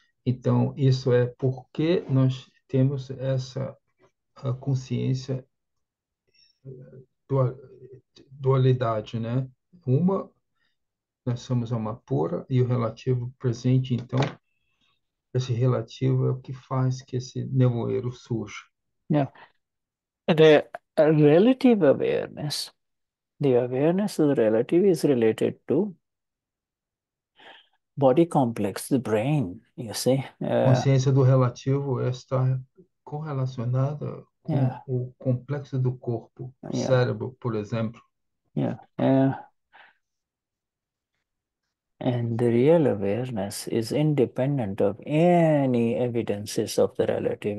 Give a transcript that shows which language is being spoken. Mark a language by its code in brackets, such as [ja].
[pt] Então, isso é porque nós temos essa consciência dualidade, né? Uma, nós somos alma pura e o relativo presente, então, esse relativo é o que faz que esse nevoeiro surja. [en] The relative awareness, the awareness of the relative is related to body complex, the brain, you see. [pt] Consciência do relativo está correlacionada com o complexo do corpo, cérebro, por exemplo. [en] And the real awareness is independent of any evidences of the relative.